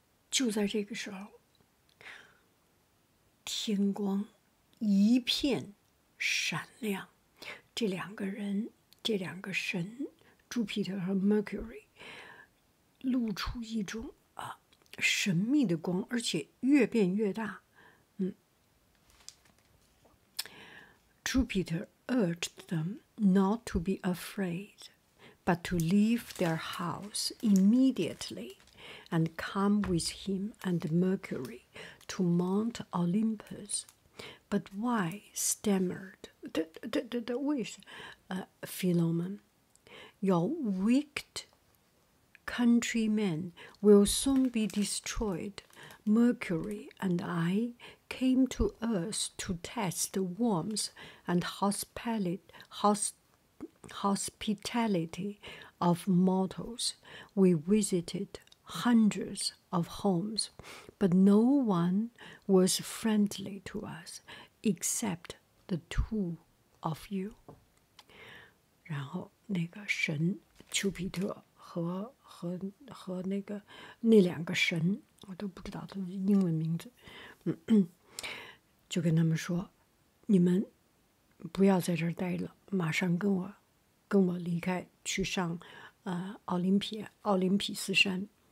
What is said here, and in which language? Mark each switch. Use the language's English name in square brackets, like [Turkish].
[Chinese] 就在这个时候，天光一片闪亮，这两个神，朱庇特和 Mercury 露出一种神秘的光，而且越变越大。 [English] Jupiter urged them not to be afraid, but to leave their house immediately and come with him and Mercury to Mount Olympus. But why, stammered the wish, Philomen, your wicked countrymen will soon be destroyed. Mercury and I came to Earth to test the warmth and hospitality of mortals. We visited hundreds of homes, but no one was friendly to us except the two of you. [Chinese] 然后那个神丘比特和那个那两个神，我都不知道他的英文名字，就跟他们说，你们不要在这儿待了，马上跟我离开，去上奥林匹斯山。